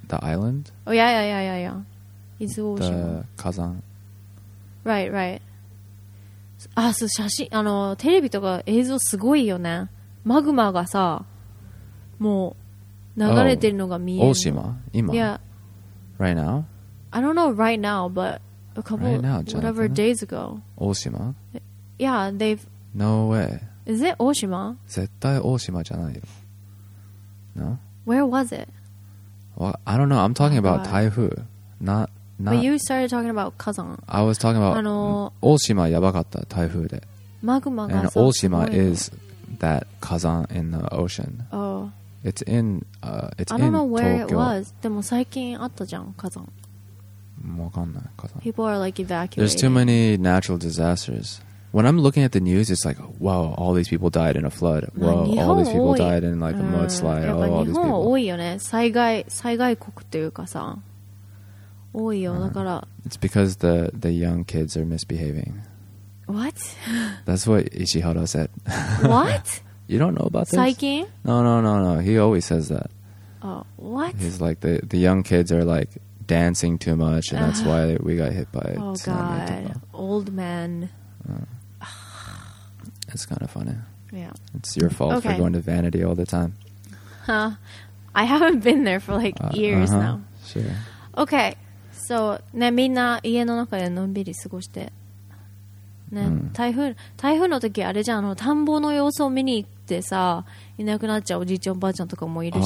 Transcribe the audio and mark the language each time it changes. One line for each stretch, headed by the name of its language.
English: the island? Oh yeah, yeah, yeah, yeah, yeah. 伊豆大島。
Japanese: 火山。
English: Right, right.
Japanese: あ、そう、写真、テレビとか映像すごいよね。マグマがさ、もう、流れてるのが見える。
English: Oh,
Japanese: 大島？今？
English: Yeah. Right now? I don't know right now, but a couple, right now, whatever days ago.
Japanese: 大島？
English: Yeah, they've... No way. Is it 大島？
Japanese: 絶対大島じゃないよ。
English: No? Where was it? Well, I don't know. I'm talking about 台風。 Not, but you started talking about 火山. I was talking about 大島
Japanese: やばかった台風で。マグマが。
English: And 大島 is that 火山 in the ocean. Oh. It's in I don't know where it was.
Japanese: でも最近あったじゃん火山。もうわかんない火山。
English: People are like evacuating. There's too many natural disasters. When I'm looking at the news, it's like, wow, all these people died in a flood. Wow, all these people died in like a mudslide. Oh, all these people.
Japanese: 日本多いよね。災害国っていうかさ。多いよ、だから。
English: It's because the young kids are misbehaving. What? That's what Ishihara said. What? You don't know about this?
Japanese: 最近?
English: No. He always says that. Oh, what? He's like, the young kids are like dancing too much, and that's why we got hit by it. Oh, God. Old man. It's kind of funny. Yeah. It's your fault for going to Vanity all the time. Huh? I haven't been there for like years now. Sure. Okay.
Japanese: そうね、みんな家の中でのんびり過ごして、ね、うん、台風の時あれじゃん、田んぼの様子を見に行ってさ、いなくなっちゃうおじいちゃんおばあちゃんとかもいるし。